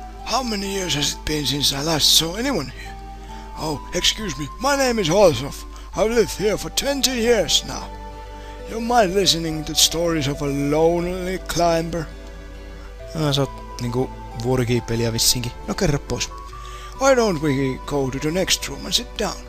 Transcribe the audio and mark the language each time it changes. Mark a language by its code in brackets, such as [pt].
[en] How many years has it been since I last saw anyone here? Oh, excuse me, my name is Holzhoff. I've lived here for 20 years now. You mind listening to stories of a lonely climber? [fi] Sä oot niinku vuorikiipeilijä vissinkin. No kerro pois. [en] Why don't we go to the next room and sit down?